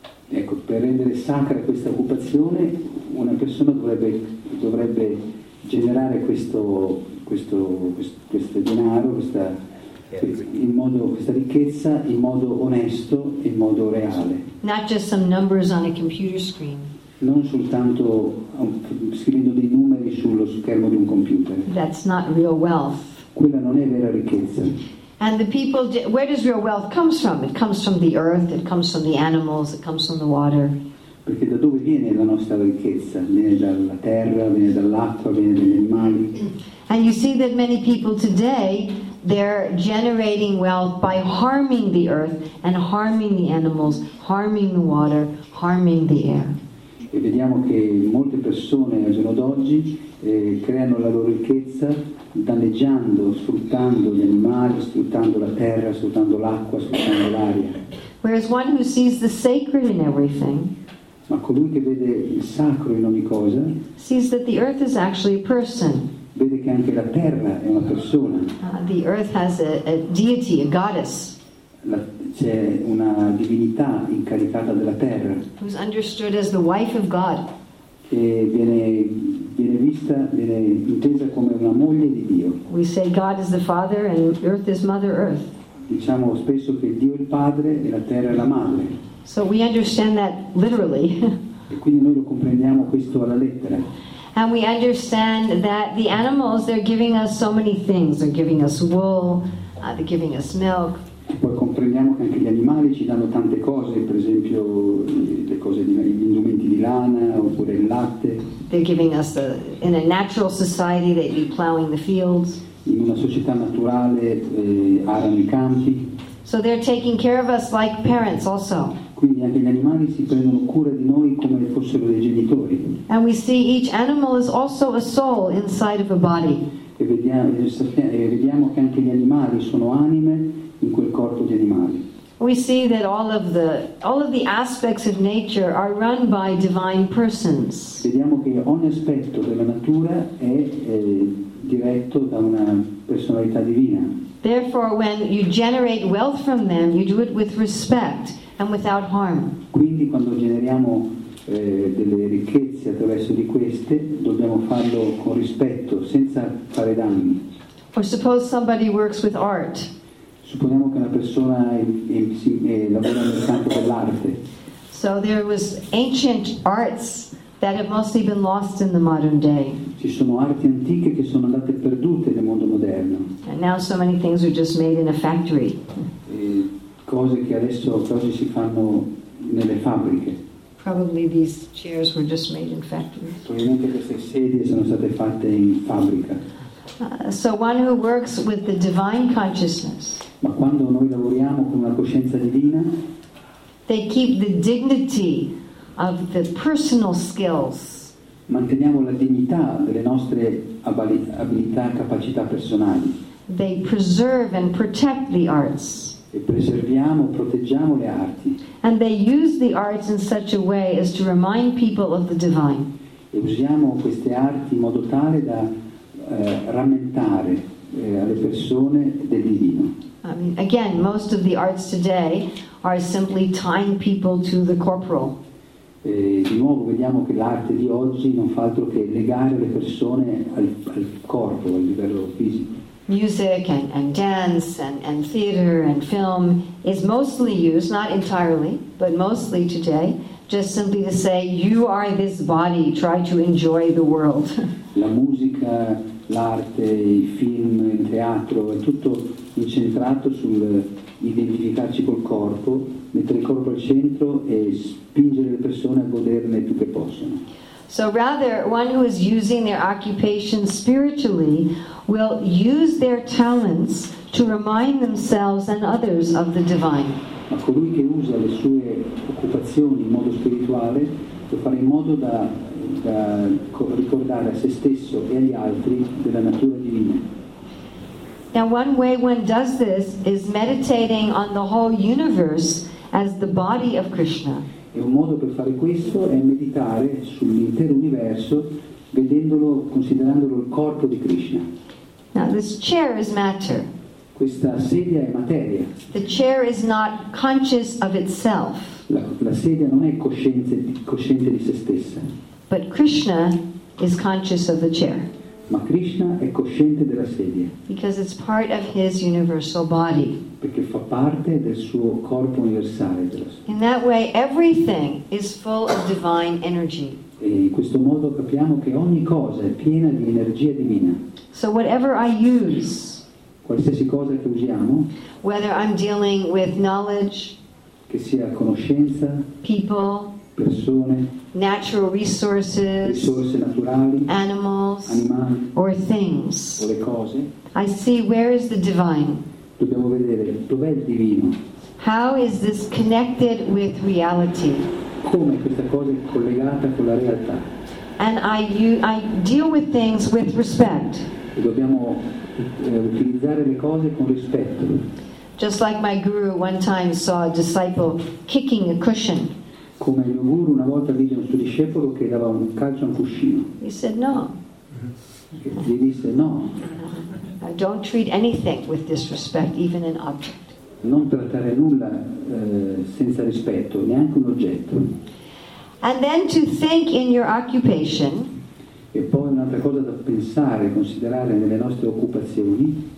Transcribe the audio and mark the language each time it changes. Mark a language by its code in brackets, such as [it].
[it] Ecco, per rendere sacra questa occupazione una persona dovrebbe generare questo denaro, questa ricchezza in modo onesto, in modo reale. [en] Not just some numbers on a computer screen. [it] Non soltanto scrivendo dei numeri sullo schermo di un computer. [en] That's not real wealth. [it] Quella non è vera ricchezza. [en] And the people, where does real wealth come from? It comes from the earth, it comes from the animals, it comes from the water. [it] Perché da dove viene la nostra ricchezza? Viene dalla terra, viene dall'acqua, viene dagli animali. [en] And you see that many people today, they're generating wealth by harming the earth and harming the animals, harming the water, harming the air. [it] E vediamo che molte persone al giorno d'oggi creano la loro ricchezza danneggiando, sfruttando gli animali, sfruttando la terra, sfruttando l'acqua, sfruttando l'aria. [en] Whereas one who sees the sacred in everything, [it] ma colui che vede il sacro in ogni cosa, [en] sees that the earth is actually a person. [it] Vede che anche la terra è una persona. [en] The earth has a deity, a goddess. [it] C'è una divinità incaricata della terra. [en] Who's understood as the wife of God. [it] Che viene vista, viene intesa come una moglie di Dio. [en] We say God is the father and earth is mother earth. [it] Diciamo spesso che Dio è il padre e la terra è la madre. [en] So we understand that literally. [it] E quindi noi lo comprendiamo questo alla lettera. [en] And we understand that the animals, they're giving us so many things. They're giving us wool, they're giving us milk. [it] E poi comprendiamo che anche gli animali ci danno tante cose, per esempio le cose di, gli indumenti di lana oppure il latte. [en] They're giving us in a natural society, they'd be plowing the fields. [it] In una società naturale arano i campi. [en] So they're taking care of us like parents also. [it] Quindi anche gli animali si prendono cura di noi come se fossero dei genitori. [en] And we see each animal is also a soul inside of a body. [it] E vediamo che anche gli animali sono anime in quel corpo di animali. [en] We see that all of the aspects of nature are run by divine persons. [it] Vediamo che ogni aspetto della natura è diretto da una personalità divina. [en] Therefore, when you generate wealth from them, you do it with respect and without harm. [it] Quindi quando generiamo delle ricchezze attraverso di queste, dobbiamo farlo con rispetto, senza fare danni. [en] Or suppose somebody works with art. [it] Supponiamo che una persona lavora nel campo dell'arte. [en] So there was ancient arts that have mostly been lost in the modern day. [it] Ci sono arti antiche che sono andate perdute nel mondo moderno. [en] And now so many things are just made in a factory. [it] Cose che adesso oggi si fanno nelle fabbriche. [en] Probably these chairs were just made in factories. [it] Probabilmente queste sedie sono state fatte in fabbrica. [en] So one who works with the divine consciousness. [it] Ma quando noi lavoriamo con una coscienza divina, [en] they keep the dignity of the personal skills. [it] Manteniamo la dignità delle nostre abilità e capacità personali. [en] They preserve and protect the arts. [it] E preserviamo, proteggiamo le arti. [en] And they use the arts in such a way as to remind people of the divine. [it] E usiamo queste arti in modo tale da rammentare alle persone del divino. [en] I mean, again, most of the arts today are simply tying people to the corporal. [it] E di nuovo vediamo che l'arte di oggi non fa altro che legare le persone al corpo, al livello fisico. [en] Music and dance and theater and film is mostly used, not entirely, but mostly today, just simply to say, you are this body, try to enjoy the world. [it] La musica, l'arte, i film, il teatro, è tutto incentrato sul identificarci col corpo, mettere il corpo al centro e spingere le persone a goderne più che possono. [en] So rather, one who is using their occupation spiritually will use their talents to remind themselves and others of the divine. [it] Ma colui che usa le sue occupazioni in modo spirituale lo fa in modo da ricordare a se stesso e agli altri della natura divina. [en] Now one way one does this is meditating on the whole universe as the body of Krishna. [it] E un modo per fare questo è meditare sull'intero universo vedendolo, considerandolo il corpo di Krishna. [en] Now this chair is matter. [it] Questa sedia è materia. [en] The chair is not conscious of itself. [it] La sedia non è cosciente di se stessa. [en] But Krishna is conscious of the chair. [it] Ma Krishna è cosciente della sedia. [en] Because it's part of his universal body. [it] Perché fa parte del suo corpo universale. [en] In that way, everything is full of divine energy. [it] E in questo modo capiamo che ogni cosa è piena di energia divina. [en] So whatever I use, [it] qualsiasi cosa che usiamo, [en] whether I'm dealing with knowledge, [it] che sia conoscenza, [en] people, [it] persone, [en] natural resources, [it] risorse naturali, [en] animals, [it] animali, [en] or things, [it] o le cose, [en] I see where is the divine. [it] Dobbiamo vedere dov'è il divino. [en] How is this connected with reality? [it] Come questa cosa è collegata con la realtà? [en] And I deal with things with respect. [it] E dobbiamo utilizzare le cose con rispetto. [en] Just like my guru one time saw a disciple kicking a cushion. [it] Come il mio guru una volta vide un suo discepolo che dava un calcio a un cuscino. [en] He said no. [it] Gli disse no. [en] I don't treat anything with disrespect, even an object. [it] Non trattare nulla senza rispetto, neanche un oggetto. [en] And then to think in your occupation. [it] E poi un'altra cosa da pensare, considerare nelle nostre occupazioni.